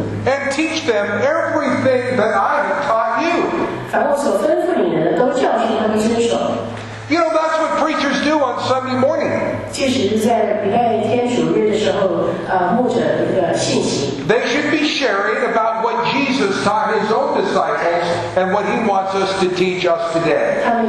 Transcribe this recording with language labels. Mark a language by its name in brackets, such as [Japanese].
[English] And teach them everything that I have taught you. [Chinese] 凡我所吩咐你们的都教训他们遵守。 [English] You know, that's what preachers do on Sunday morning. They should be sharing about what Jesus taught his own disciples and what he wants us to teach us today.